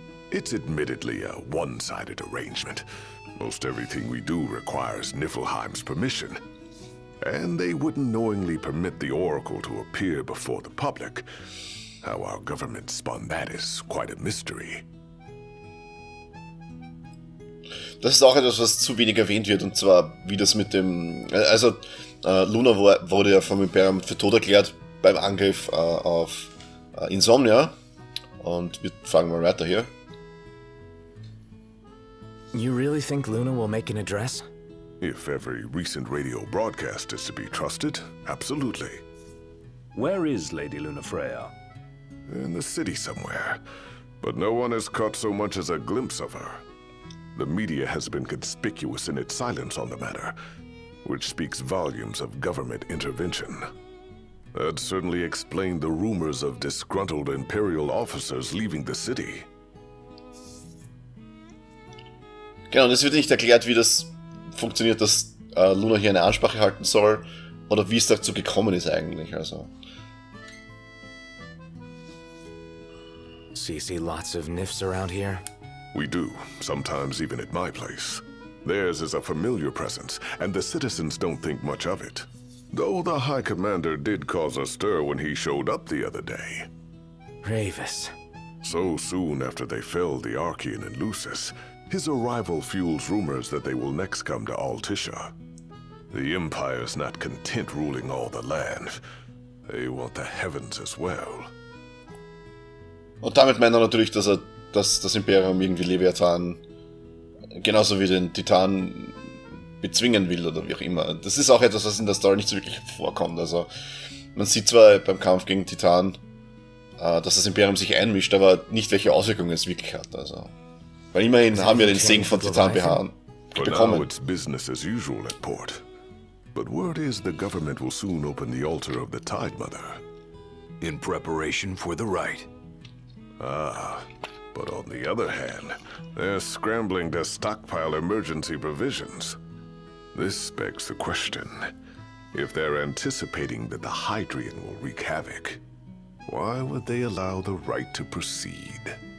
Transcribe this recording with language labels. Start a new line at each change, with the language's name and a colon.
English: It's admittedly a one-sided arrangement. Most everything we do requires Niflheim's permission. And they wouldn't knowingly permit the Oracle to appear before the public. How our government spun that is quite a mystery.
German: Das ist auch etwas, was zu wenig erwähnt wird, und zwar wie das mit dem... Also, Luna wurde ja vom Imperium für tot erklärt beim Angriff auf Insomnia. Und wir fangen mal weiter hier.
English: You really think Luna will make an address? If every recent radio broadcast is to be trusted, absolutely. Where is Lady Luna Freya? In the city somewhere. But no one has caught so much as a glimpse of her. The media has been conspicuous in its silence on the matter, which speaks volumes of government intervention. That certainly explained the rumors of disgruntled Imperial officers leaving the city.
German: Genau, es wird nicht erklärt, wie das funktioniert, dass Luna hier eine Ansprache halten soll oder wie es dazu gekommen ist eigentlich, also.
English: So you see lots of Nifs around here? We do, sometimes even at my place. Theirs is a familiar presence, and the citizens don't think much of it. Though the High Commander did cause a stir when he showed up the other day. Ravus. So soon after they fell the Archean and Lucis, his arrival fuels rumors that they will next come to Altisha. The Empire's not content ruling all the land. They want the heavens as well.
German: Und damit meint er natürlich, dass er dass das Imperium irgendwie Leviathan genauso wie den Titan bezwingen will oder wie auch immer. Das ist auch etwas, was in der Story nicht so wirklich vorkommt. Also man sieht zwar beim Kampf gegen Titan, dass das Imperium sich einmischt, aber nicht welche Auswirkungen es wirklich hat. Also, weil immerhin ist haben wir den Segen von Titan beharren bekommen.
English: It's business as usual at port. But word is the government will soon open the altar of the Tide Mother in preparation for the rite. Ah, but on the other hand, they're scrambling to stockpile emergency provisions. This begs the question. If they're anticipating that the Hydrian will wreak havoc, why would they allow the rite to proceed?